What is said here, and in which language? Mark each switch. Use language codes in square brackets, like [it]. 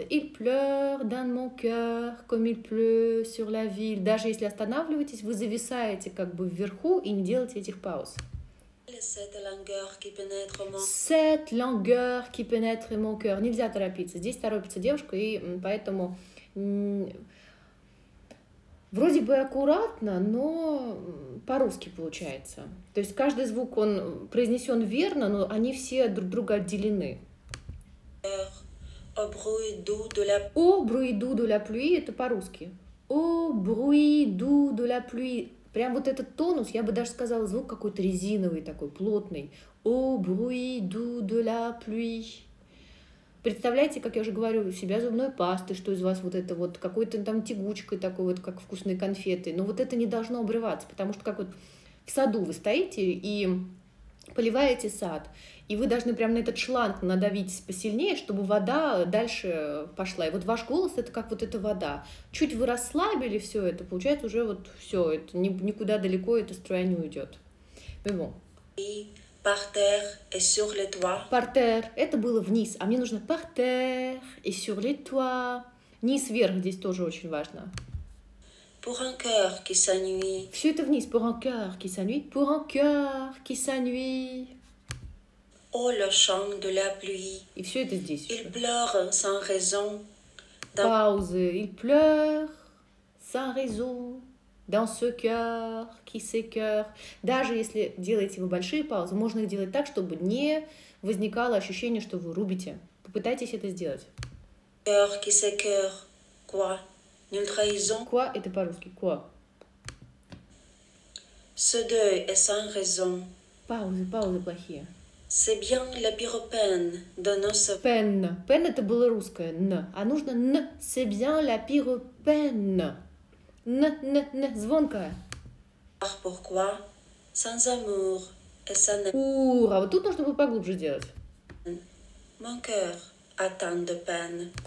[fr] Il pleure dans mon cœur, comme il pleut sur la ville. [ru] Даже если останавливаетесь, вы зависаете как бы вверху и не делаете этих пауз. [fr] Cette langueur qui pénètre mon cœur. [ru] Нельзя торопиться. Здесь торопится девушка, и поэтому вроде бы аккуратно, но по-русски получается. То есть каждый звук он произнесен верно, но они все друг друга отделены. [fr] «О bruit doux de la pluie» — [ru] это по-русски. [fr] «О bruit doux de la pluie» [ru] — прям вот этот тонус, я бы даже сказала, звук какой-то резиновый такой, плотный. [fr] «О bruit doux de la pluie». [ru] Представляете, как я уже говорю, у себя зубной пасты, что из вас вот это вот, какой-то там тягучкой такой вот, как вкусные конфеты. Но вот это не должно обрываться, потому что как вот в саду вы стоите и поливаете сад, и вы должны прямо на этот шланг надавить посильнее, чтобы вода дальше пошла. И вот ваш голос — это как вот эта вода. Чуть вы расслабили все это, получается уже вот все, это никуда далеко эта струя не уйдет. Мимо. Партер — это было вниз, а мне нужно партер и [fr] sur les toits. [ru] Низ, вверх здесь тоже очень важно. [fr] Pour un cœur qui s'ennuie. [ru] Все это вниз. [fr] Pour un cœur qui s'ennuie. Pour un cœur qui s'ennuie. Oh, le chant de la pluie. [ru] И все это здесь. [fr] Il pleure sans raison. [ru] Паузы. [fr] Il pleure sans raison. Dans ce cœur qui s'écœure. [ru] Даже если делаете вы большие паузы, можно их делать так, чтобы не возникало ощущение, что вы рубите. Попытайтесь это сделать. [fr] Cœur qui s'écœure. Quoi? Une trahison. [ru] Quoi? Это по-русски. Quoi? [fr] Ce deuil est sans raison. [ru] Паузы, паузы плохие. [fr] C'est bien la pire peine de nos... Peine. [ru] Peine — это было русское. [fr] N. [ru] А нужно [fr] n. C'est bien la pire peine. N, n, n. [ru] Звонкое. [fr] Ah, pourquoi? Sans amour. Et sans... [ru] Ouh, а вот тут нужно было поглубже делать. [fr] Mon cœur. А tant de peine.